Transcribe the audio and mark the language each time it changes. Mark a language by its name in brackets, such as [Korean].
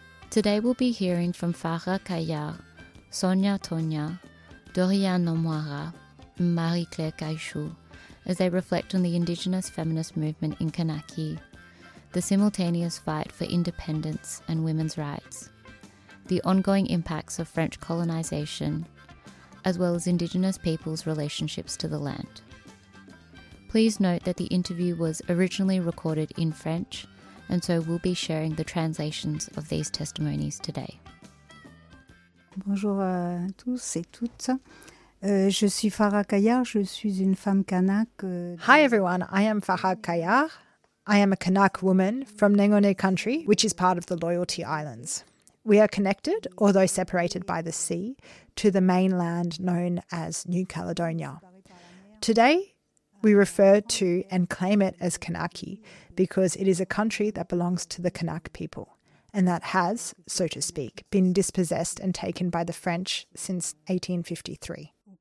[English] Today we'll be hearing from Farah Kayar, Sonia Tonya, Dorian Nomwara, and Marie-Claire Kaishu, as they reflect on the Indigenous feminist movement in Kanaki, the simultaneous fight for independence and women's rights, the ongoing impacts of French colonisation, as well as Indigenous people's relationships to the land. Please note that the interview was originally recorded in French, and so we'll be sharing the translations of these testimonies today. [French] Bonjour à tous et toutes. Je suis Farah Kayar, je suis une femme Kanak. [English] Hi everyone, I am Farah Kayar. I am a Kanak woman from Nengone country, which is part of the Loyalty Islands. We are connected, although separated by the sea, to the mainland known as New Caledonia. Today, we refer to and claim it as Kanaki because it is a country that belongs to the Kanak people and that has, so to speak, been dispossessed and taken by the French since 1853.